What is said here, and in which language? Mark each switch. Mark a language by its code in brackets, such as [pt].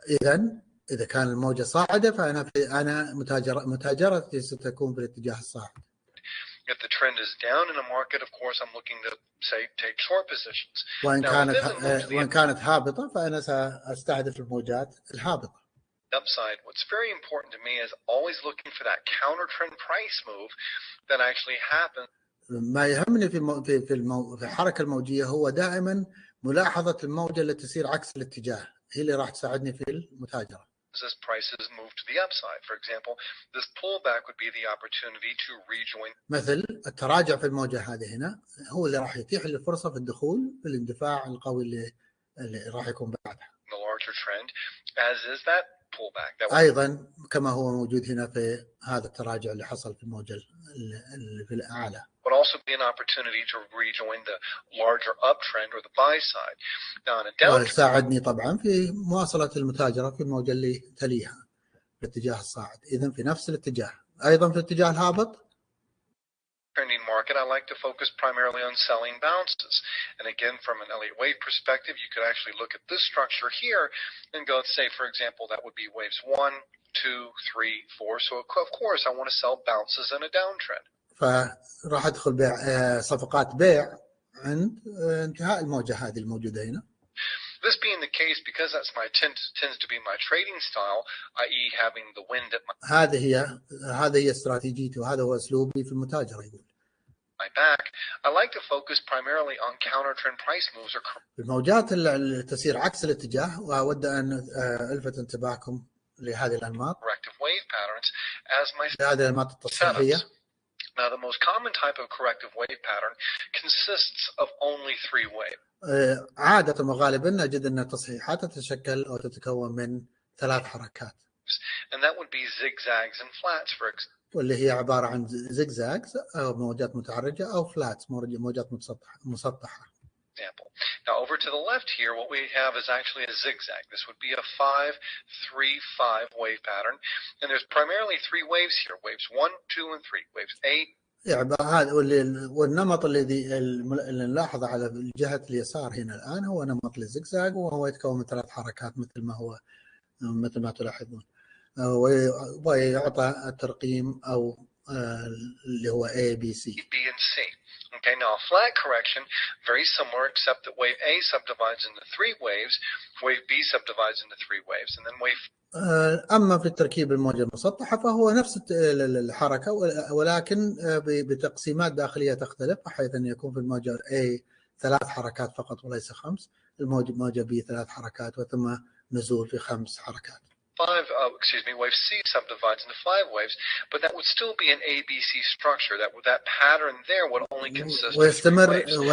[ar] إذن إذا كان الموجة صاعدة فأنا في أنا متاجرتي ستكون في الاتجاه الصاعد. [en] If the trend is down in a market, of course I'm looking to say take short positions. [ar] وإن كانت هابطة فأنا سأستهدف الموجات الهابطة. [en] Upside. What's very important to me is always looking for that counter trend price move that actually happens. [ar] ما يهمني في الحركة الموجية هو دائما ملاحظة الموجة التي تسير عكس الاتجاه. هي اللي راح تساعدني في المتاجرة. [en] As prices move to the upside, for example, this pullback would be the opportunity to rejoin. [ar] مثل التراجع في الموجة هذه هنا هو اللي راح يتيح لي الفرصة في الدخول في الاندفاع القوي اللي راح يكون بعدها. [en] The larger trend, as is that pullback. [ar] أيضا كما هو موجود هنا في هذا التراجع اللي حصل في الموجة اللي في الأعلى. [en] Would also be an opportunity to rejoin the larger uptrend or the buy side. Now on a downtrend, [ar] ساعدني طبعا في مواصلة المتاجرة في الموجة اللي تليها باتجاه الصاعد. إذن في نفس الاتجاه أيضا في الاتجاه الهابط. [en] Trending market, I like to focus primarily on selling bounces. And again, from an Elliott Wave perspective, you could actually look at this structure here and go and say, for example, that would be waves 1, 2, 3, 4. So of course, I want to sell bounces in a downtrend. [ar] فراح ادخل بيع صفقات بيع عند انتهاء الموجه هذه الموجوده هنا. [en] This being the case, because that's my tends to be my trading style, i.e. having the wind at my [ar] هذه هي استراتيجيتي وهذا هو اسلوبي في المتاجره يقول. [en] My back, I like to focus primarily on counter trend price moves or [ar] الموجات اللي تسير عكس الاتجاه، واود ان الفت انتباهكم لهذه الانماط. [en] Corrective wave patterns as my [ar] هذه الانماط التصحيحيه. [en] Now, the most common type of corrective wave pattern consists of only three waves. [ar] عادة وغالبا نجد أن التصحيحات تتشكل أو تتكون من ثلاث حركات. [en] And that would be zigzags and flats, for example. [ar] واللي هي عبارة عن zigzags أو موجات متعرجة أو flats موجات مسطحة. [en] Example. Now over to the left here, what we have is actually a zigzag. This would be a 5-3-5 wave pattern, and there's primarily three waves here: waves 1, 2, and 3. Waves A. [ar] يعني هذا والنمط الذي نلاحظه على الجهة اليسار هنا الآن هو نمط للزجزاج وهو يتكون من ثلاث حركات مثل ما تلاحظون ويعطى الترقيم أو اللي هو A B C. [en] B and C. Okay, now a flat correction, very similar, except that wave A subdivides into three waves, wave B subdivides into three waves, and then wave. [ar] أما في التركيب الموجة المسطحة فهو نفس الحركة ولكن بتقسيمات داخلية تختلف بحيث أن يكون في الموجة A ثلاث حركات فقط وليس خمس الموجة B ثلاث حركات وثم نزول في خمس حركات. [en] Wave C subdivides into five waves, but that would still be an ABC structure. That pattern there would only consist of three waves.